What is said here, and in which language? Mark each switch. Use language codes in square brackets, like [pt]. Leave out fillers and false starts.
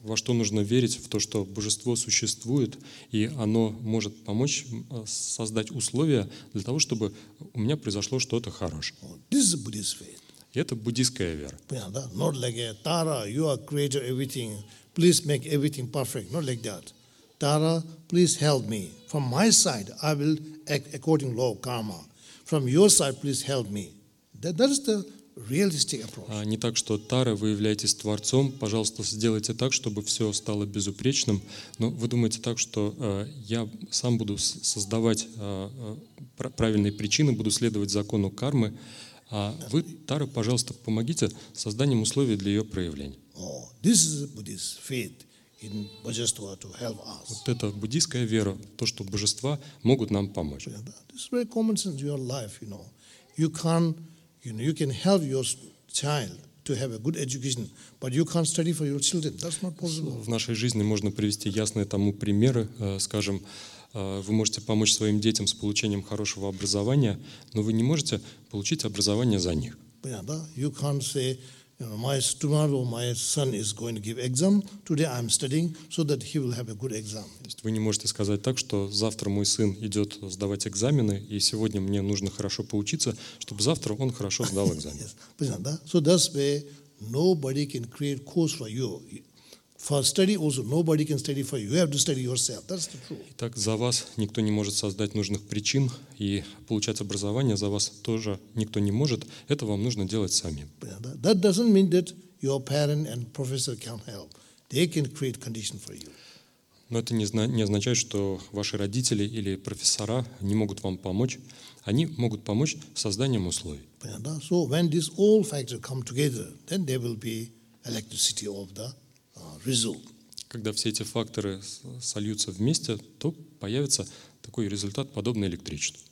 [ru] Во что нужно верить? В то, что божество существует и оно может помочь создать условия для того, чтобы у меня произошло что-то хорошее. [en] This is Buddhist faith. [ru] Это буддийская вера. Понятно, да? [en] Not like a Tara, you are creator everything. Please make everything perfect. Not like that. Tara, please help me. From my side, I will act according to law of karma. From your side, please help me. That is the realistic approach. [ru] Не так, что Тара, вы являетесь творцом, пожалуйста, сделайте так, чтобы все стало безупречным. Но вы думаете так, что я сам буду создавать правильные причины, буду следовать закону кармы. А вы, Тара, пожалуйста, помогите созданием условий для ее проявления. [en] This is Buddhist faith in Божество to help us. [ru] Вот это буддийская вера, то, что божества могут нам помочь. [en] This is very common sense in your life, you know. You can, you know, you can help your child to have a good education, but you can't study for your children. That's not possible. [ru] В нашей жизни можно привести ясные тому примеры, скажем. Вы можете помочь своим детям с получением хорошего образования, но вы не можете получить образование за них. [en] You can't say, you know, my tomorrow my son is going to give exam. Today I'm studying so that he will have a good exam. [ru] То есть вы не можете сказать так, что завтра мой сын идет сдавать экзамены, и сегодня мне нужно хорошо поучиться, чтобы завтра он хорошо сдал экзамен. Yes. Понятно, да? [en] So that's why nobody can create course for you. For study also nobody can study for you. You have to study yourself. That's the truth. [ru] Итак, за вас никто не может создать нужных причин и получать образование. За вас тоже никто не может. Это вам нужно делать самим. [en] That doesn't mean that your parent and professor can't help. They can create condition for you. [ru] Но это не означает, что ваши родители или профессора не могут вам помочь. Они могут помочь созданием условий. [en] So when these all factors come together, then there will be electricity of the result. [ru] Когда все эти факторы сольются вместе, то появится такой результат, подобный электричеству.